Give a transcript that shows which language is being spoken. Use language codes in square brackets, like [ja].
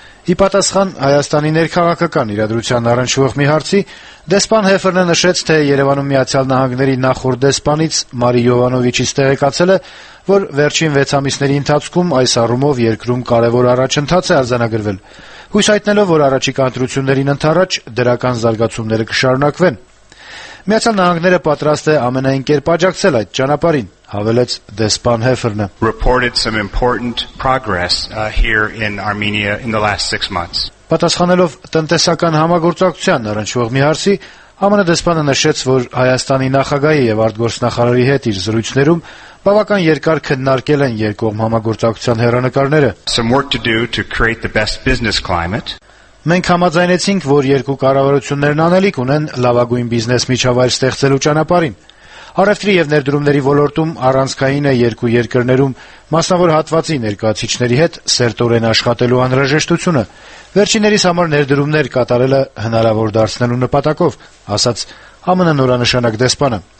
[hy] Ի պատասխան Հայաստանի ներքաղաքական իրադրության առնչվող մի հարցի, դեսպան Հեֆերնը նշեց, թե Երևանում Միացյալ Նահանգների նախորդ դեսպանից Մարի Յովանովիչից տեղեկացել է, որ վերջին 6 ամիսների ընթացքում այս առումով երկրում կարևոր առաջընթաց է արձանագրվել, հույս հայտնելով, որ առաջիկա ընտրություններին ընդառաջ դրական զարգացումները կշարունակվեն։ Միացյալ Նահանգները պատրաստ է ամենայն կերպ աջակցել այդ ճանապարհին, հավելեց դեսպան Հեֆերնը։ [en] Reported some important progress here in Armenia in the last 6 months. [hy] Պատասխանելով տնտեսական համագործակցության առնչվող մի հարցի, ԱՄՆ դեսպանը նշեց, որ Հայաստանի նախագահի եւ արտգործնախարարի հետ իր զրույցներում բավական երկար քննարկել են երկկողմ համագործակցության հեռանկարները։ [en] Some work to do to create the best business climate. [hy] Մենք համաձայնեցինք, որ երկու կառավարություններն անելիք ունեն լավագույն բիզնես միջավայր ստեղծելու ճանապարհին։ Առևտրի և ներդրումների ոլորտում առանցքային է երկու երկրներում մասնավոր հատվածի ներկայացիչների հետ սերտորեն աշխատելու անհրաժեշտությունը, վերջիններիս համար ներդրումներ կատարելը հնարավոր դարձնելու նպատակով, ասաց ԱՄՆ նորանշանակ դեսպանը։